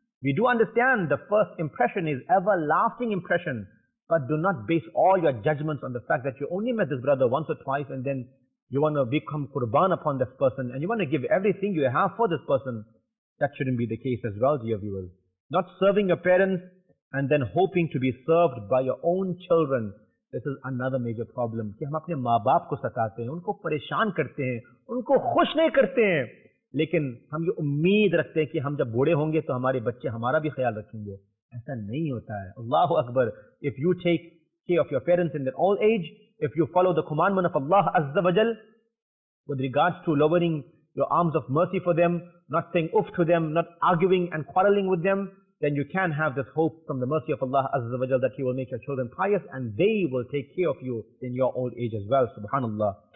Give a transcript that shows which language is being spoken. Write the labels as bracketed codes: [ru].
[en] We do understand the first impression is everlasting impression, but do not base all your judgments on the fact that you only met this brother once or twice and then you want to become qurban upon this person and you want to give everything you have for this person. That shouldn't be the case as well, dear viewers. Not serving your parents and then hoping to be served by your own children. This is another major problem. [hi] कि हम अपने माँबाप को सताते हैं, उनको परेशान करते हैं, उनको खुश नहीं करते हैं, लेकिन हम ये उम्मीद रखते हैं कि हम जब बूढ़े होंगे तो हमारे बच्चे हमारा भी ख्याल रखेंगे. ऐसा नहीं होता है. [ar] Allahu Akbar. [en] If you take care of your parents in their old age, if you follow the commandment of Allah Azza wa Jal with regards to lowering your arms of mercy for them, not saying uff to them, not arguing and quarrelling with them, then you can have this hope from the mercy of Allah Azza wa Jal that He will make your children pious and they will take care of you in your old age as well. Subhanallah.